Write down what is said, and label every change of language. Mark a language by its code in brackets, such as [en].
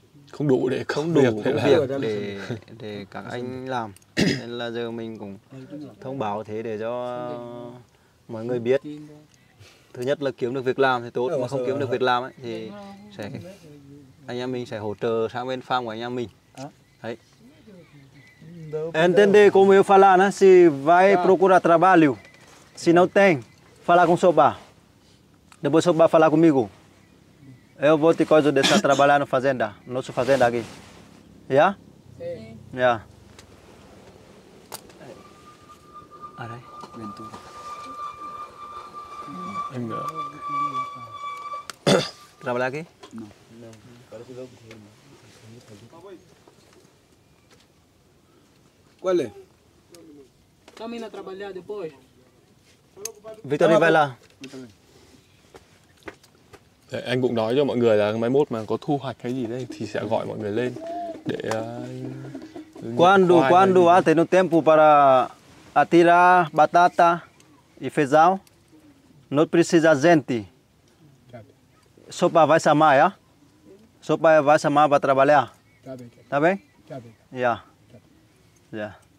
[vi] Không đủ để các anh làm. Nên là giờ mình cũng thông báo thế để cho mọi người biết. Thứ nhất là kiếm được việc làm thì tốt, mà không kiếm được việc làm ấy, thì sẽ anh em mình sẽ hỗ trợ sang bên farm của anh em mình. Đấy. [pt] Entende como eu falar, né? Se vai procurar trabalho, se não tem, falar com sopa. Depois sopa falar comigo. Eu vou te coisa deixar trabalhar na fazenda, na nossa fazenda aqui. Já? Sim. Já. Arai, Ventura. Trabalhar aqui? Não. Qual é? Camina trabalhar depois. Vitorinho vai lá. [vi] Anh cũng nói cho mọi người là mai mốt mà có thu hoạch cái gì đấy thì sẽ gọi mọi người lên để [pt] quando há tem tempo para atirar batata e feijão, não precisa gente. Sopa vai chamar, já? Sopa vai chamar para trabalhar. Tá bem? Já. Já.